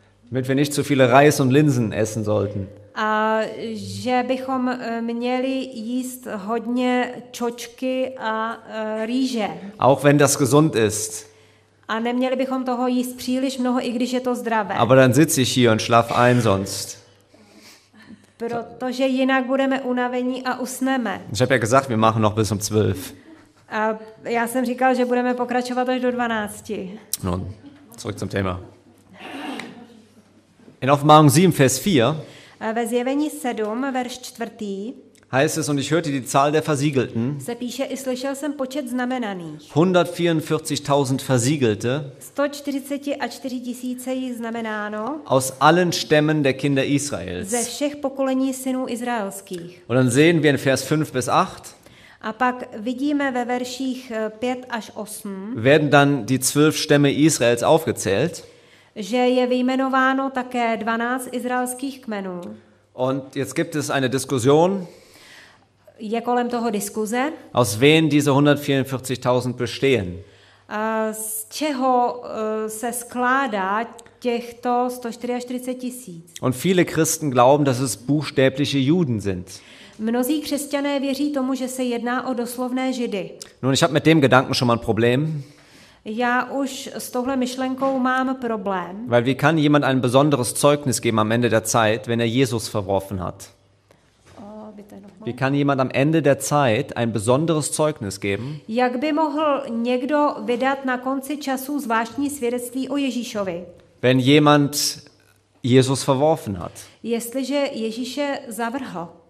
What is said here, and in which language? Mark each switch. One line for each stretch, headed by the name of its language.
German: Damit wir nicht zu viele Reis und Linsen essen sollten.
Czech: A že bychom měli jíst hodně čočky a rýže.
German: Auch wenn das gesund ist.
Czech: A neměli bychom toho jíst příliš mnoho, i když je to zdravé.
German: Aber dann sitze ich hier und schlaf ein sonst.
Czech: Protože jinak budeme unavení a usneme.
German: Ich habe ja gesagt, wir machen noch bis um 12.
Czech: A já jsem říkal, že budeme pokračovat až do 12.
German: No, zurück zum Thema. In Offenbarung 7, Vers 4.
Czech: Ve Zjevení 7, verš 4.
German: Heißt es, und ich hörte die Zahl der Versiegelten.
Czech: Se píše, i slyšel jsem počet znamenaných.
German: 144.000 Versiegelte.
Czech: 144 tisíce jich znamenáno.
German: Aus allen Stämmen der Kinder Israels.
Czech: Ze všech pokolení synů izraelských.
German: Und dann sehen wir in Vers 5 bis 8.
Czech: A pak vidíme ve verších 5 až 8.
German: Werden dann die 12 Stämme Israels aufgezählt.
Czech: Že je vyjmenováno také 12 izraelských kmenů.
German: Und jetzt gibt es eine Diskussion.
Czech: Je kolem toho diskuze.
German: Aus wen diese 144.000 bestehen?
Czech: Z čeho se skládá těchto 144 tisíc?
German: Und viele Christen glauben, dass es buchstäbliche Juden sind.
Czech: Mnozí křesťané věří tomu, že se jedná o doslovné Židy.
German: Nun, ich habe mit dem Gedanken schon mal ein Problem.
Czech: Já už s touhle myšlenkou mám problém.
German: Weil wie kann jemand ein besonderes Zeugnis geben am Ende der Zeit, wenn er Jesus verworfen hat? Wie kann jemand am Ende der Zeit ein besonderes Zeugnis geben?
Czech: Jak by mohl někdo vydat na konci času zvláštní svědectví o Ježíšovi?
German: Wenn jemand Jesus verworfen hat.
Czech: Jestliže Ježíše zavrhl.